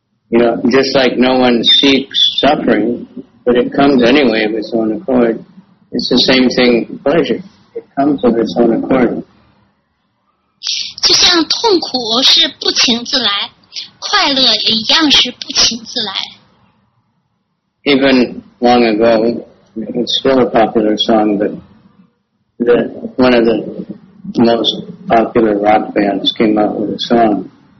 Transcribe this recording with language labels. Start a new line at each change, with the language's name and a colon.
English: You know, just like no one seeks suffering, but it comes anyway of its own accord, it's the same thing with pleasure. It comes of its own accord.
Chinese: 就像痛苦是不请自来，快乐也一样是不请自来。
English: Even long ago, it's still a popular song, but one of the most popular rock bands came out with a song.